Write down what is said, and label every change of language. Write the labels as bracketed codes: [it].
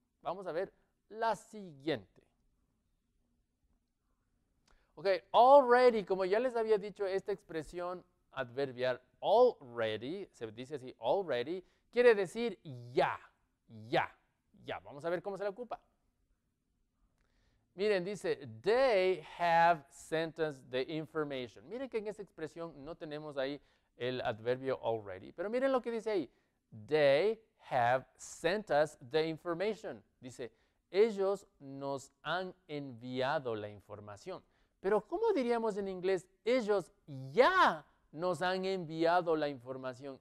[es] Vamos a ver la siguiente. Ok, already, como ya les había dicho, esta expresión adverbial already, se dice así, already, quiere decir ya, ya, ya. Vamos a ver cómo se le ocupa. Miren, dice, [en] they have sent us the information. [es] Miren que en esta expresión no tenemos ahí el adverbio already, pero miren lo que dice ahí. [en] They have sent us the information. [es] Dice, ellos nos han enviado la información. Pero, ¿cómo diríamos en inglés? Ellos ya nos han enviado la información.